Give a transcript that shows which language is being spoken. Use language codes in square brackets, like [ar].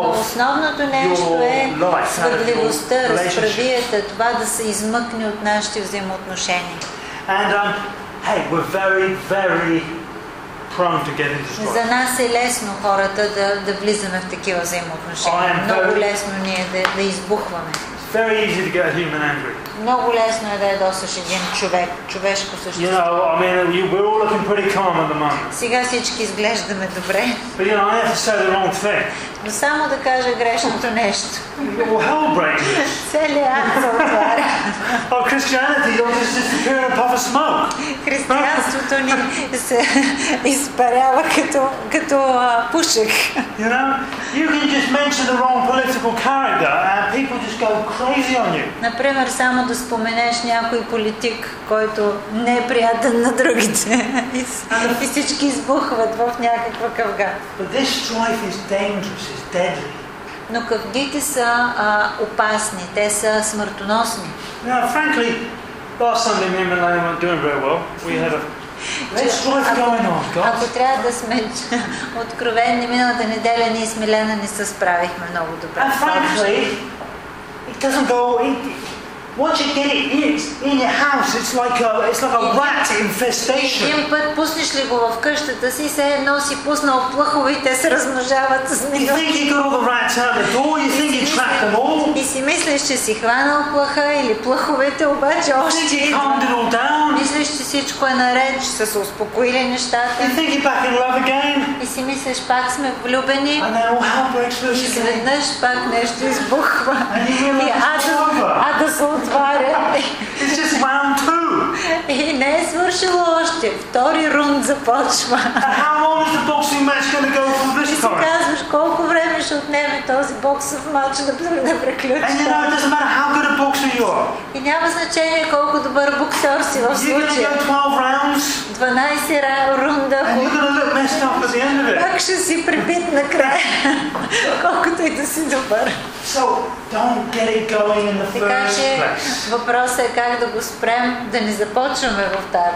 [bg] основното нещо е справедливостта, разправията, това да се измъкне от нашите взаимоотношения. [en] And hey, we're very, very prone to get into strife. [bg] За нас е лесно хората да, да влизаме в такива взаимоотношения. Много лесно ние да, да избухваме. [en] Very easy to get a human angry. [bg] Много лесно е да ядосаш един човек, човешко същество. [en] You know, I mean, we're all looking pretty calm at the moment. [bg] Сега всички изглеждаме добре. [en] But you know, I have to say the wrong thing. [bg] Но само да кажа грешното нещо. [en] Well, hell breaks. [bg] Целият ад се отваря. [en] Oh, Christianity, you're just disappearing in a puff of smoke. [bg] Християнството ни се изпарява като, като пушек. [en] You know, you can just mention the wrong political character and people just go crazy on you. [bg] Например, само да споменеш някой политик, който не е приятен на другите. И всички избухват в някаква къвга. [en] But this strife is dangerous. [bg] Но къвгите са опасни, те са смъртоносни. [en] Now, frankly, last Sunday me and Melanie weren't doing very well. We had a strife going on, guys. [bg] Ако трябва да сме откровени, миналата неделя ние с Милена не се справихме много добре. [en] And frankly, it doesn't go once you get it in your house, it's like a rat infestation. [bg] Един път пуснеш ли го в къщата си, се едно си пуснал плъхове и те се размножават с минути. [en] You think you got all the rats out the door, you think you trapped them all. [bg] И си мислиш, че си хванал плъха или плъховете, обаче още идва. Мислиш, че всичко е наред, че са се успокоили нещата. [en] You think you're back in love again. [bg] И си мислиш, пак сме влюбени. [en] And then all hell breaks loose again. [bg] И изведнъж пак нещо избухва. [en] And you hear love is over. It's just round two. [bg] И не е свършило още. Втори рунд започва. [en] How long is the boxing match going to go for this time? [bg] И си казваш колко време ще отнеме този боксов матч да да приключи. [en] And you know, it doesn't matter how good a boxer you are. [bg] И няма значение колко добър боксер си в случая. [en] You're going to go 12 rounds. [bg] 12 рунда. [en] And you're going to look messed up at the end of it. [bg] Пак ще си прибит накрая. Колкото и да си добър. [en] So don't get it going in the first place. [bg] Въпросът е как да го спрем, да не започваме в тази